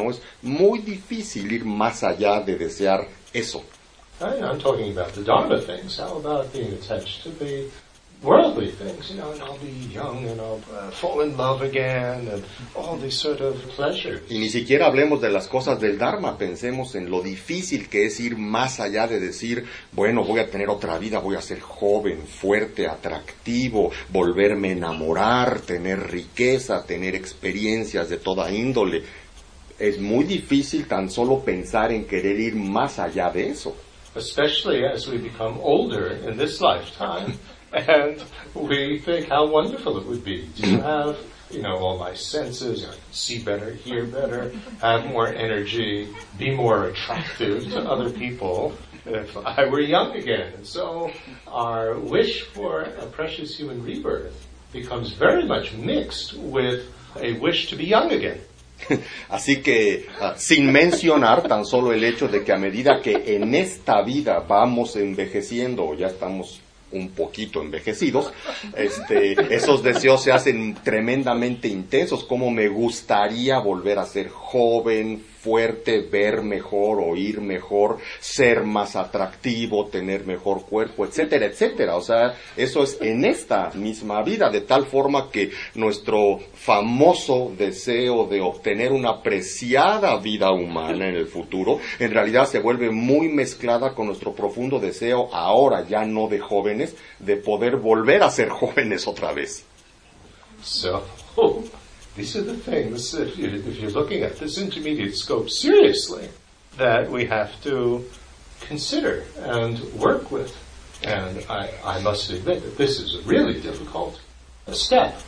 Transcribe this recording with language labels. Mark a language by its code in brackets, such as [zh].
[es] No es muy difícil ir más allá de desear eso. [en] I'm talking about the Dharma things. How about being attached to the worldly things, you know, and I'll be young and I'll fall in love again and all these sort of pleasures. [es] Y ni siquiera hablemos de las cosas del Dharma, pensemos en lo difícil que es ir más allá de decir, bueno, voy a tener otra vida, voy a ser joven, fuerte, atractivo, volverme a enamorar, tener riqueza, tener experiencias de toda índole. Es muy difícil tan solo pensar en querer ir más allá de eso. [en] Especially as we become older in this lifetime. And we think how wonderful it would be to have, you know, all my senses, I can see better, hear better, have more energy, be more attractive to other people if I were young again. So our wish for a precious human rebirth becomes very much mixed with a wish to be young again. [es] Así que, sin mencionar tan solo el hecho de que a medida que en esta vida vamos envejeciendo, ya estamos un poquito envejecidos, esos deseos se hacen tremendamente intensos, como me gustaría volver a ser joven, fuerte, ver mejor, oír mejor, ser más atractivo, tener mejor cuerpo, etcétera, etcétera. O sea, eso es en esta misma vida, de tal forma que nuestro famoso deseo de obtener una apreciada vida humana en el futuro, en realidad se vuelve muy mezclada con nuestro profundo deseo, ahora ya no de jóvenes, de poder volver a ser jóvenes otra vez. [en] So, these are the things that if you're looking at this intermediate scope seriously, that we have to consider and work with. And I must admit that this is a really difficult step.